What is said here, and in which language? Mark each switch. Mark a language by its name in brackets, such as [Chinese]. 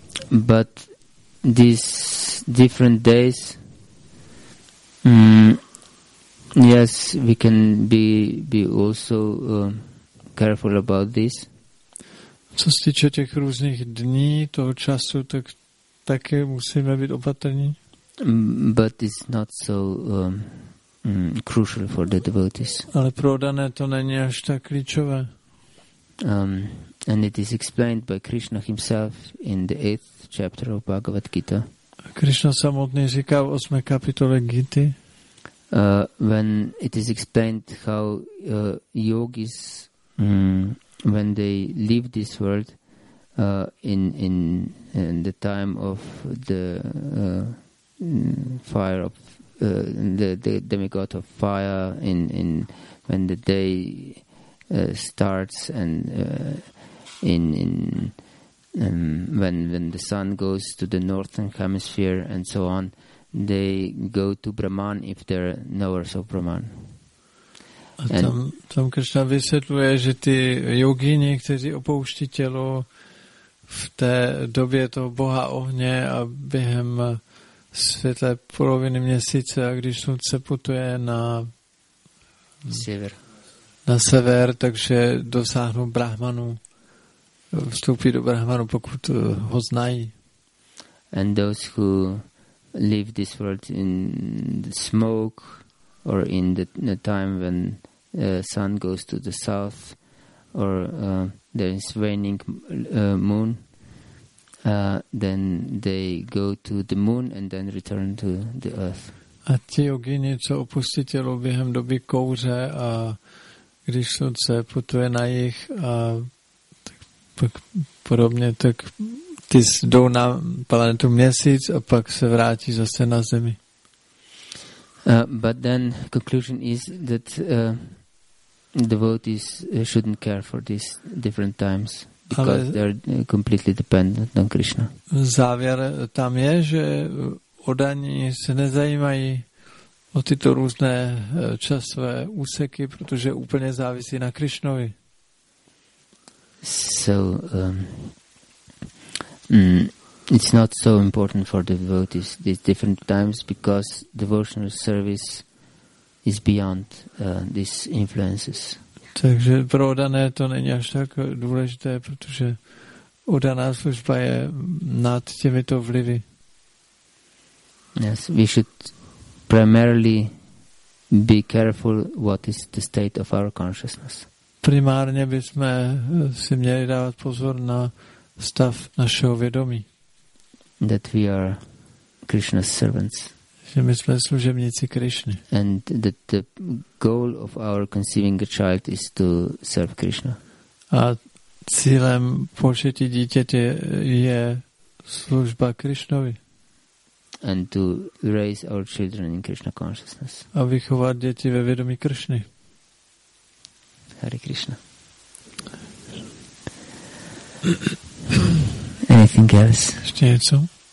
[English] But these different days, yes, we can be also careful about this. [Czech] Co se týče těch různých dní, toho času, tak také musíme být opatrní. [English] But it's not so crucial for the devotees. [Czech] Ale pro dané to není až tak klíčové. [English] And it is explained by Krishna himself in the 8th chapter of Bhagavad Gita. [Czech] Krishna samotný říká v 8. kapitole Gity. [English] When it is explained how yogis, when they leave this world in the time of the fire of the demigod of fire, in when the day starts, and when the sun goes to the northern hemisphere, and so on, they go to Brahman if they're knowers of Brahman. [Czech] And tam Krishna vysvětluje, že ty jogíni, kteří opouští tělo v té době toho boha ohně a během světlé poloviny měsíce, a když slunce putuje na sever. Na sever, takže dosáhnou Brahmanu, vstoupí do Brahmanu, pokud ho znají. [English] And those who live this world in the smoke or in the time when sun goes to the south, or there is waning moon, then they go to the moon and then return to the earth. [Czech] A ti jogini, co opustí tělo během doby kouře, a když slunce putuje na jih, a tak podobně, tak ty jdou na planetu měsíc a pak se vrátí zase na zemi. [English] But then conclusion is that devotees shouldn't care for these different times because they're completely dependent on Krishna. [Czech] Závěr tam je, že odaní se nezajímají o tyto různé časové úseky, protože úplně závisí na Krišnovi. [English] So it's not so important for the devotees these different times because devotional service is beyond these influences. [Czech] Takže pro odané to není až tak důležité, protože odaná služba je nad těmito vlivy. [English] Yes, we should primarily be careful what is the state of our consciousness. [Czech] Primárně bychom si měli dávat pozor na stav našeho vědomí. [English] That we are Krishna's servants. [Czech] Že my jsme služebníci Krishny. [English] And that the goal of our conceiving a child is to serve Krishna. [Czech] A cílem početí dítěte je služba Krishnovi. [English] And to raise our children in Krishna consciousness. [Czech] A vychovat děti ve vědomí Krishny. [English] Hare Krishna. Anything else? [Czech] Ještě něco?